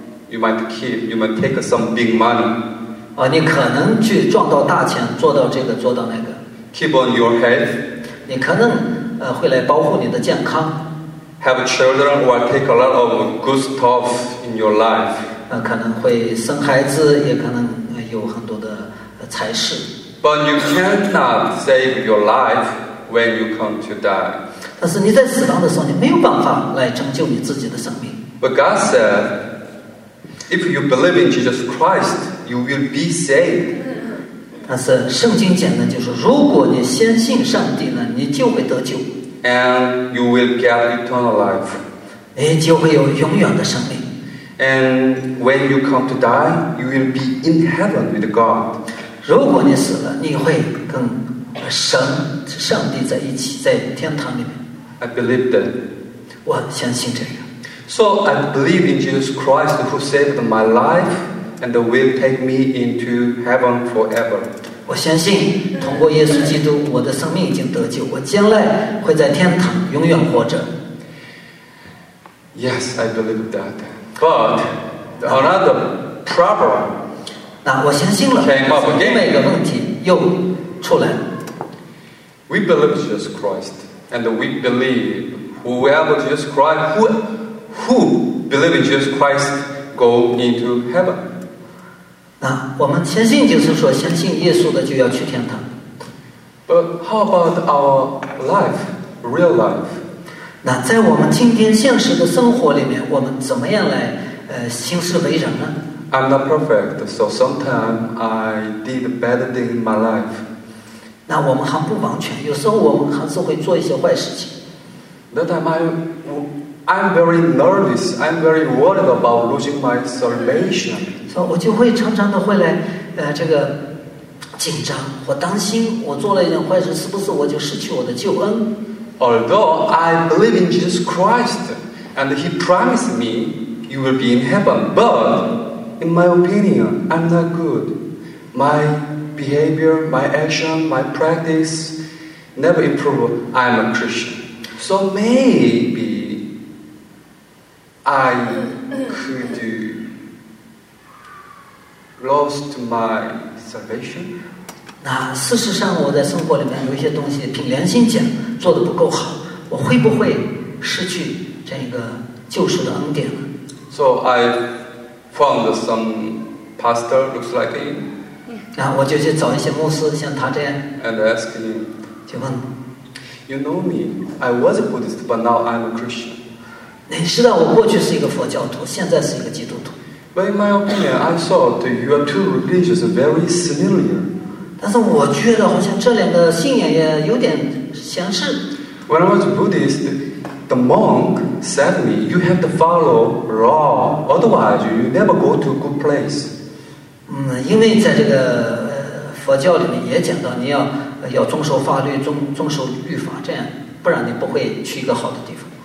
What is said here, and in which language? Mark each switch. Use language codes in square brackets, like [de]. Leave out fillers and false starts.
[en] You might take some big money. [zh] 你可能去赚到大钱，做到这个，做到那个。 [en] Keep on your health. [zh] 你可能会来保护你的健康。 [en] Have children who will take a lot of good stuff in your life. [zh] 可能会生孩子，也可能有很多的财势。 [en] But you cannot save your life when you come to die. [zh] 但是你在死亡的时候，你没有办法来拯救你自己的生命。 [en] But God said, if you believe in Jesus Christ, you will be saved. [zh] 但是圣经讲的就是，如果你先信上帝呢，你就会得救。 [en] And you will get eternal life. [zh] 你就会有永远的生命。 [en] And when you come to die, you will be in heaven with God. [zh] 如果你死了，你会跟上帝在一起，在天堂里面。 [en] I believe that. [zh] 我相信这个。 [en] So I believe in Jesus Christ who saved my life and will take me into heaven forever. [zh] 我相信通过耶稣基督，我的生命已经得救，我将来会在天堂永远活着。 [en] Yes, I believe that. But another problem. [zh] 那我相信了，另外一个问题又出来了。 [en] We believe Jesus Christ, and we believe whoever Jesus Christ, who believe in Jesus Christ, go into heaven. [zh] 那我们相信，就是说相信耶稣的就要去天堂。 [en] But how about our life, real life? [zh] 那在我们今天现实的生活里面，我们怎么样来行事为人呢？ [en] I'm not perfect, so sometimes I did bad things in my life. [zh] 那我们还不完全，有时候我们还是会做一些坏事情。 [en] That time I'm very nervous, I'm very worried about losing my salvation. [zh] 所以我就会常常的会来这个紧张，我担心我做了一件坏事，是不是我就失去我的救恩。 [en] Although I believe in Jesus Christ, and he promised me you will be in heaven, but... In my opinion, I'm not good. My behavior, my action, my practice never improve. I'm a Christian. So maybe I could lost my salvation. [zh] 那事实上我在生活里面有一些东西凭良心讲做得不够好，我会不会失去这个救赎的恩典呢？ [en] So I... found some pastor looks like him. [zh] 那我就去找一些牧师像他这样。 [en] And ask him. [zh] 就问。 [en] You know me. I was a Buddhist, but now I'm a Christian. [zh] 你知道我过去是一个佛教徒，现在是一个基督徒。 [en] But in my opinion, I thought you are two religions very similar. [zh] 但是我觉得好像这两个信仰也有点相似。 [en] When I was a Buddhist. The monk said to me, you have to follow law, otherwise you never go to a good place. [zh] 因为在这个佛教里面也讲到你要遵守法律，遵守律法，这样不然你不会去一个好的地方。